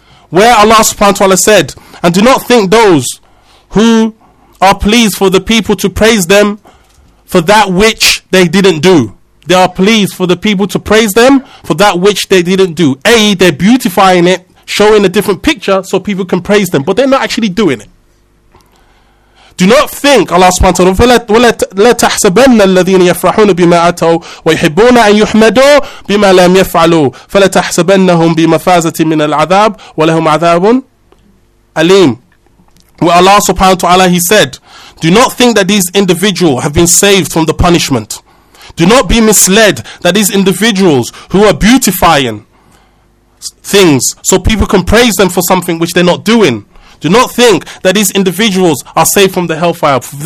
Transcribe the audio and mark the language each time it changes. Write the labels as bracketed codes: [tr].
[en] Where Allah subhanahu wa ta'ala said, and do not think those who are pleased for the people to praise them for that which they didn't do. They are pleased for the people to praise them for that which they didn't do. A.e. they're beautifying it, showing a different picture so people can praise them, but they're not actually doing it. Do not think, Allah subhanahu wa ta'ala, [ar] وَلَتَحْسَبَنَّ الَّذِينَ يَفْرَحُونَ بِمَا أَتَوْا وَيْحِبُّونَ أَنْ يُحْمَدُوا بِمَا لَمْ يَفْعَلُوا فَلَتَحْسَبَنَّهُمْ بِمَفَازَةٍ مِنَ الْعَذَابِ وَلَهُمْ عَذَابٌ أَلِيمٌ. [en] Where Allah subhanahu wa ta'ala, he said, do not think that these individuals have been saved from the punishment. Do not be misled that these individuals who are beautifying things so people can praise them for something which they're not doing. Do not think that these individuals are saved from the hellfire.